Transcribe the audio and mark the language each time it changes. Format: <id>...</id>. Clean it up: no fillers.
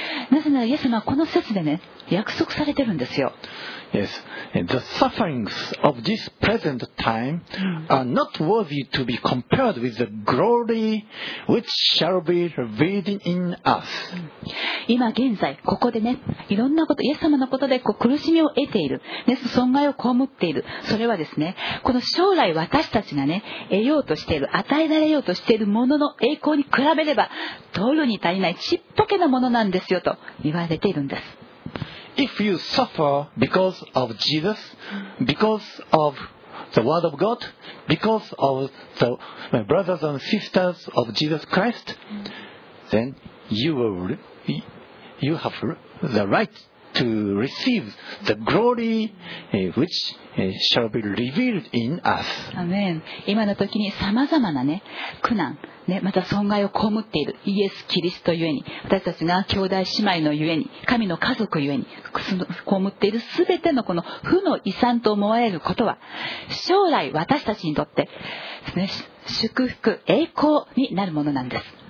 <ja>なぜならイエス様はこの節でね約束されてるんですよ。</ja> <en>Yes, the sufferings of this present time are not worthy to be compared with the glory which shall be revealed in us.</en> <ja>今現在ここでねいろんなことイエス様のことでこう苦しみを得ている、ね、損害を被っているそれはですねこの将来私たちがね得ようとしている与えられようとしているものの栄光に比べれば取るに足りないちっぽけなものなんですよと言われているんです。</ja> <en>If you suffer because of Jesus, because of the Word of God, because of the brothers and sisters of Jesus Christ, then you have the right to receive the glory which shall be revealed in us. Amen.</en> <ja>今の時にさまざまなね苦難ね、また損害を被っているイエス・キリストゆえに私たちが兄弟姉妹のゆえに神の家族ゆえに被っているすべてのこの負の遺産と思われることは将来私たちにとってです、ね、祝福栄光になるものなんです。</ja>